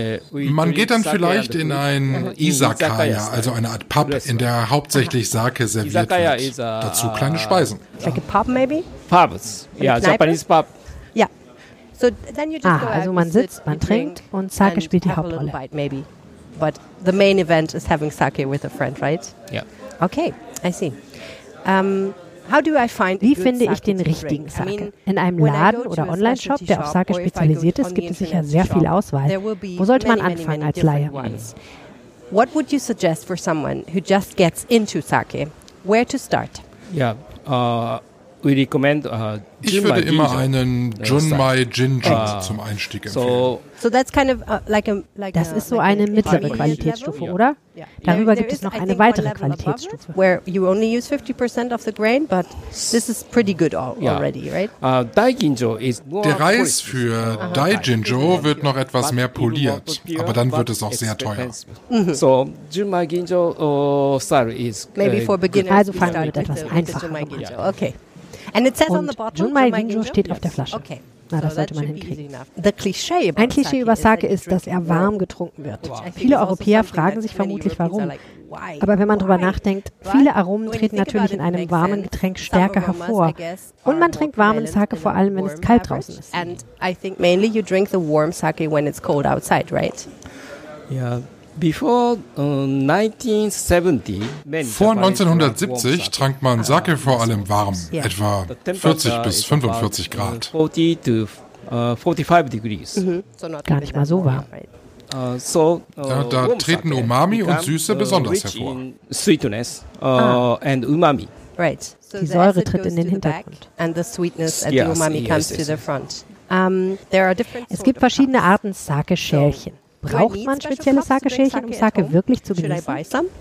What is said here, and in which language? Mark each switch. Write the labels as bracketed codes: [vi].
[de] Man geht dann vielleicht in ein Izakaya, also eine Art Pub, in der hauptsächlich Sake serviert wird. Dazu kleine Speisen. [en] Like a pub maybe? Pubs, ja, Japanese pub. Ja, so then you just [de] ah, also man sitzt, man trinkt und Sake spielt die Hauptrolle. [en] Bite maybe. But the main event is having sake with a friend, right? [de] Ja. [en] Okay, I see. How do I find [de] Wie finde ich den richtigen Sake? In einem Laden oder Online-Shop, der auf Sake spezialisiert ist, gibt es sicher sehr viel Auswahl. Wo sollte man anfangen als Laie? [en] What would you suggest for someone who just gets into Sake? Where to start? Yeah, we recommend [de] Ich würde immer einen Junmai Jinja zum Einstieg empfehlen. [en] So that's kind of like [de] das ist so eine mittlere Qualitätsstufe, oder? Darüber gibt es noch eine weitere Qualitätsstufe. [en] Where you only use 50% of the grain, but this is pretty good already, right? [de] Der Reis für Dai Jinjo wird noch etwas mehr poliert, aber dann wird es auch sehr teuer. [en] So Junmai Jinjo style is maybe for beginners. [de] Also fangen wir mit etwas einfacher an. [en] Okay. And it says [de] Und [en] on the bottle, Junmai [de] Jinjo steht auf der Flasche. [en] Okay. [de] Na, das sollte man hinkriegen. [en] The cliché about [de] Ein Klischee über Sake ist, dass er warm getrunken wird. Wow. Viele Europäer fragen sich vermutlich, warum. Aber wenn man drüber nachdenkt, viele Aromen treten natürlich in einem warmen Getränk stärker hervor. Und man trinkt warmen Sake vor allem, wenn es kalt draußen ist. [en] And I think mainly you drink the warm sake when it's cold outside, right? Ja. Before 1970, [de] Vor 1970 trank man Sake vor allem warm, etwa 40 bis 45 Grad. [en] 40 to 45 degrees. [de] Gar nicht mal so warm. Da treten Umami und Süße besonders hervor. [en] Sweetness and umami. Right. [de] Die Säure tritt in den Hintergrund. [en] And the sweetness and the umami comes to the front. There are different. [de] Es gibt verschiedene Arten Sake-Schälchen. Braucht man spezielle Sake-Schälchen, um Sake wirklich zu genießen?